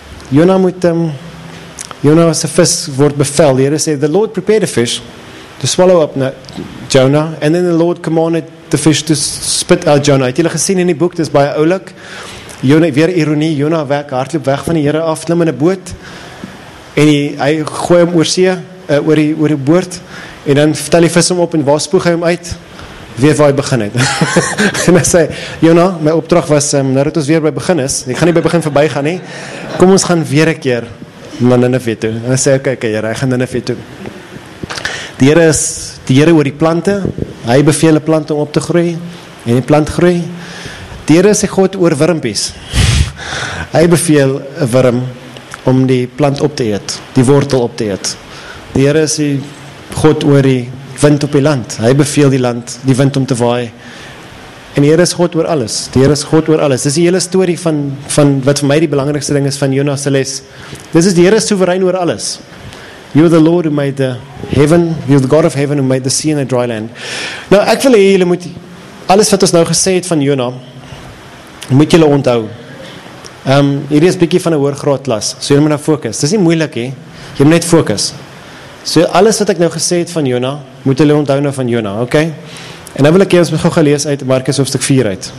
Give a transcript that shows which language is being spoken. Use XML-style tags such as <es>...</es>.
<af>Jonah moet, Jonah as a vis word bevel, die Here sê,</af> <en>the Lord prepared a fish to swallow up Jonah, and then the Lord commanded the fish to spit out Jonah.</en> <af>Het julle gesien in die boek, dit is baie oulik, Jonah, weer ironie, Jonah werk hardloop weg van die Here af, klim in die boot, en hy gooi hom oor see, oor die boord, en dan vertel die vis hom op, en waar spoeg hy hom uit? Weer waar hy begin het. En hy sê, Jonah, my opdracht was, nou dat ons weer by begin is, ek gaan nie by begin voorbij gaan, nie. Kom ons gaan weer een keer na Nineveh toe. En hy sê, okay, Here, hy gaan Nineveh toe. Die Here is, die Here oor die plante, hy beveel die plante om op te groei, en die plant groei. Die Here is die God oor wormpies. Hy beveel een worm om die plant op te eet, die wortel op te eet. Die Here is die God oor die wind op die land. Hy beveel die land, die wind om te waai. En die Here is God oor alles. Die Here is God oor alles. Dis die hele story van wat vir my die belangrikste ding is van Jonah se les. Dis is die Here is soeverein oor alles.</af> <en>You are the Lord who made the heaven, you are the God of heaven who made the sea and the dry land.</en> <af>Nou, ek wil hê julle moet alles wat ons nou gesê het van Jonah, moet julle onthou. Hierdie is bietjie van 'n hoër graad klas, so julle moet nou fokus. Dis nie moeilik hê, jy moet net fokus. So alles wat ek nou gesê het van Jona, moet hulle onthou nou van Jona, okay? En nou wil ek ons gou gelees uit Markus hoofstuk 4 uit.</af>